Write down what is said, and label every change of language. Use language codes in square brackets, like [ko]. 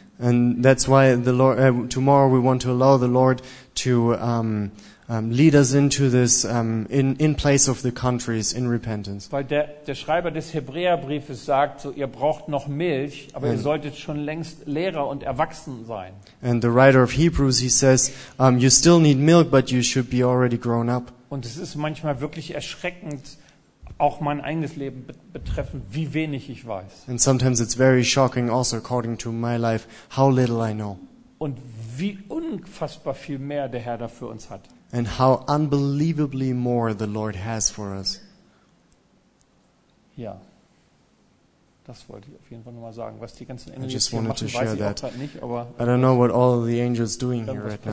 [en] And that's why the Lord, tomorrow we want to allow the Lord to lead us into this in place of the countries in repentance. [de] Weil der Schreiber des Hebräerbriefes sagt, so ihr braucht noch Milch, aber ihr solltet schon längst Lehrer und erwachsen sein. [en] And the writer of Hebrews, he says, you still need milk, but you should be already grown up. [de] Und es ist manchmal wirklich erschreckend, auch mein eigenes Leben betreffend, wie wenig ich weiß. [en] And sometimes it's very shocking also according to my life how little I know. [de] Und wie unfassbar viel mehr der Herr dafür uns hat. [en] And how unbelievably more the Lord has for us. [de] Ja. Das wollte ich auf jeden Fall nochmal sagen, was die ganzen Engel hier machen, weiß ich auch nicht, aber [en] I don't know what all the angels doing here right now.